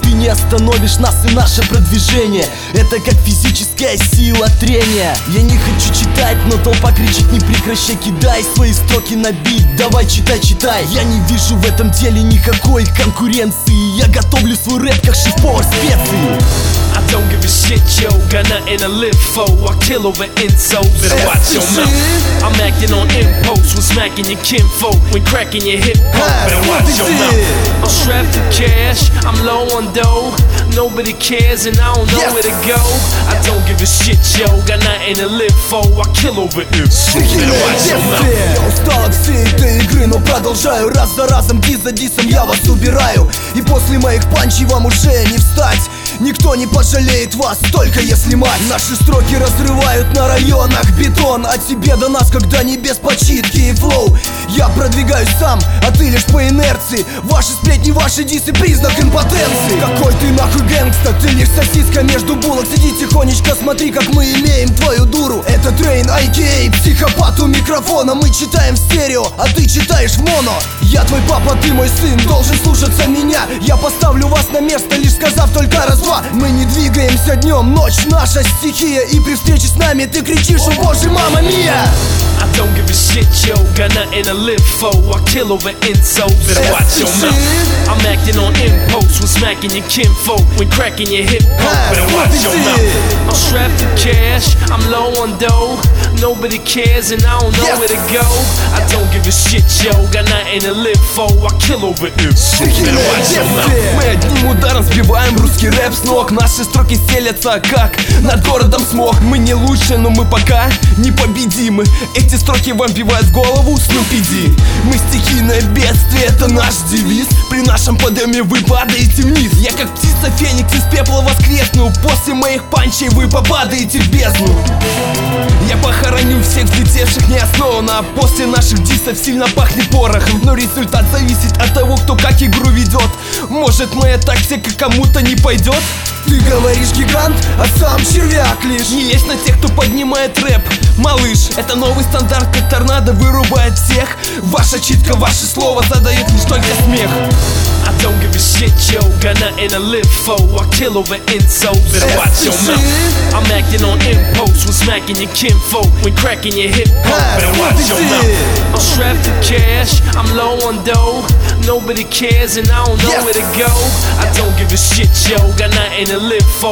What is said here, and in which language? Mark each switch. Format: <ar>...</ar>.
<ru>Ты не остановишь нас и наше продвижение. Это как физическая сила трения. Я не хочу читать, но толпа кричит не прекращай. Кидай свои строки на бит, давай читай, читай. Я не вижу в этом деле никакой конкуренции. Я готовлю свой рэп как шеф-повар специи.</ru> <en>I don't give a shit, yo, got nothing to live for. I kill over insults, better watch your mouth. I'm acting on impulse, when smacking your kinfolk, when cracking your hip hop, better watch your mouth. I'm strapped to cash, I'm low on dough. Nobody cares and I don't know where to go. I don't give a shit, yo, got nothing to live for. I kill over insults, better watch your mouth.</en> <ru>Я устал от всей этой игры, но продолжаю. Раз за разом, дис за дисом, я вас убираю. И после моих панчей вам уже не встать. Никто не пожалеет вас, только если мать. Наши строки разрывают на районах бетон. От тебе до нас, когда небес почитки и флоу. Я продвигаюсь сам, а ты лишь по инерции. Ваши сплетни, ваши диссы, признак импотенции. Какой ты нахуй гэнгста, ты лишь сосиска между булок. Сиди тихонечко, смотри, как мы имеем твою дуру. Это Train IKA, психопат у микрофона. Мы читаем в стерео, а ты читаешь в моно. Я твой папа, ты мой сын, должен слушаться меня. Я поставлю вас на место, лишь сказав только раз. Мы не двигаемся днем, ночь наша стихия. И при встрече с нами ты кричишь, о боже, мама мия.</ru> <en>I don't give a shit, yo, got nothing to live for. I kill over insults, better watch your mouth. I'm acting on impulse, when smacking your kinfolk, when cracking your hip hop, better watch your mouth. I'm strapped to cash, I'm low on dough. Nobody cares and I don't know where to go. I don't give a shit, yo, got nothing to live for. I kill over insults, better watch your mouth.</en> <ru>Мы одним ударом сбиваем русский рэп с ног. Наши строки селятся, как над городом смог. Мы не лучшие, но мы пока непобедимы. Эти строки вам бивают в голову, Snoopy D. Мы стихийное бедствие, это наш девиз. При нашем подъеме вы падаете вниз. Я как птица феникс из пепла воскресну. После моих панчей вы попадаете в бездну. Я похороню всех взлетевших неосознанно. После наших диссов сильно пахнет порохом. Но результат зависит от того, кто как игру ведет. Может, моя тактика кому-то не пойдет? Ты говоришь гигант, а сам червяк лишь. Не лезь на тех, кто поднимает рэп, малыш. Это новый стандарт, как торнадо вырубает всех. Ваша читка, ваше слово задает лишь только смех.</ru> <en>I don't give a shit, yo, got nothing to live for. I kill over insults, better watch your mouth. I'm acting on impulse, when smacking your kinfolk, when cracking your hip hop, better watch your mouth. I'm strapped to cash, I'm low on dough. Nobody cares and I don't know where to go. I don't give a shit, yo, got nothing to live for.</en>